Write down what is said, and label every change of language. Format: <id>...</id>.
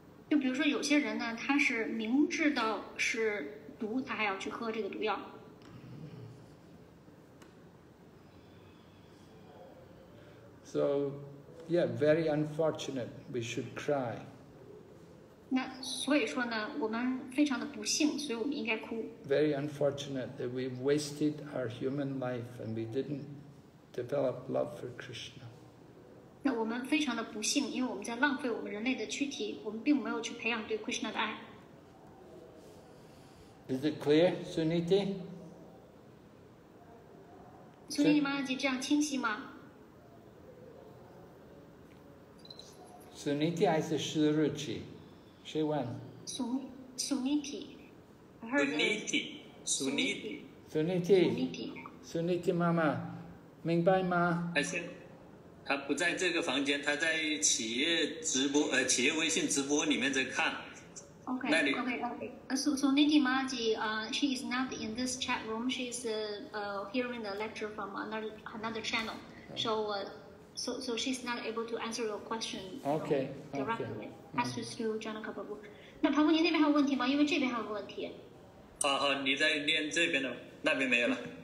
<zh>就比如说有些人呢，他是明知道是毒，他还要去喝这个毒药。</zh> <en>So, yeah, very unfortunate. We should cry.</en> <zh>那所以说呢，我们非常的不幸，所以我们应该哭。 Very unfortunate that we wasted our human life and we didn't develop love for Krishna. 那我们非常的不幸，因为我们在浪费我们人类的躯体，我们并没有去培养对 Krishna 的爱。</zh> <en>Is it clear, Suniti?</en> <zh>Suniti Maharaj, 这样清晰吗？ Suniti 还是 Suruchi？</zh> <en>She went.</en> <zh>Suniti. Suniti. Suniti. Suniti. Suniti Mama. 明白吗？她不在这个房间，她在企业直播，企业微信直播里面在看。</zh> <en>Okay. Suniti Maharaj, she is not in this chat room. She is hearing the lecture from another channel. So she's not able to answer your question directly. Has to still join a couple of books.</en> <zh>那庞峰，您那边还有问题吗？因为这边还有个问题。好，你在念这边的，那边没有了。</zh>